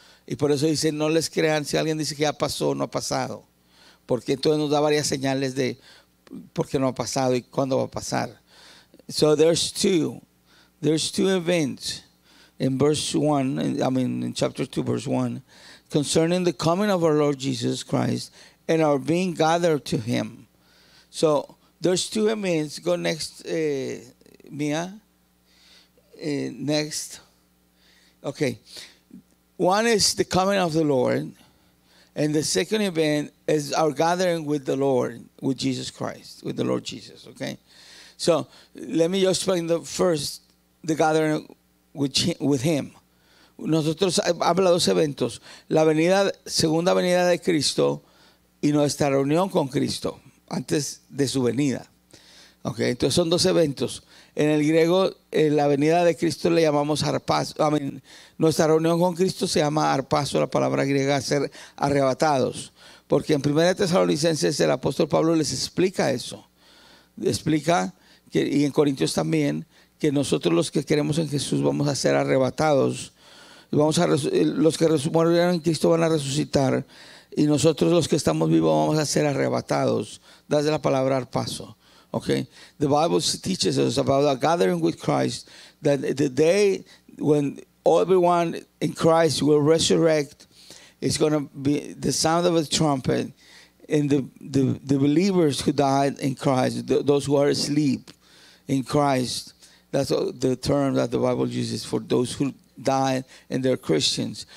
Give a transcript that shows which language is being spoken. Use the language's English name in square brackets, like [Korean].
[Spanish] Y por eso dice, no les crean si alguien dice que ya pasó, no ha pasado. Porque entonces nos da varias señales de por qué no ha pasado y cuándo va a pasar. [English] So there's two events in verse 1, in chapter 2, verse 1, concerning the coming of our Lord Jesus Christ and our being gathered to him. So there's two events. Go next, Mia. Next. Okay. One is the coming of the Lord, and the second event is our gathering with the Lord, with Jesus Christ, with the Lord Jesus, okay? So let me just explain the first, the gathering with him. [Spanish] Nosotros habla dos eventos, la venida, segunda venida de Cristo y nuestra reunión con Cristo antes de su venida, okay? Entonces son dos eventos. En el griego, en la venida de Cristo le llamamos arpazo. Nuestra reunión con Cristo se llama arpazo, la palabra griega, ser arrebatados. Porque en 1 Tesalonicenses el apóstol Pablo les explica eso. Explica, que, y en Corintios también, que nosotros los que creemos en Jesús vamos a ser arrebatados. Vamos a los que murieron en Cristo van a resucitar. Y nosotros los que estamos vivos vamos a ser arrebatados. Das de la palabra arpazo. [English] Okay, the Bible teaches us about a gathering with Christ, that the day when everyone in Christ will resurrect, it's going to be the sound of a trumpet, and the believers who died in Christ, those who are asleep in Christ, that's the term that the Bible uses for those who died and they're Christians.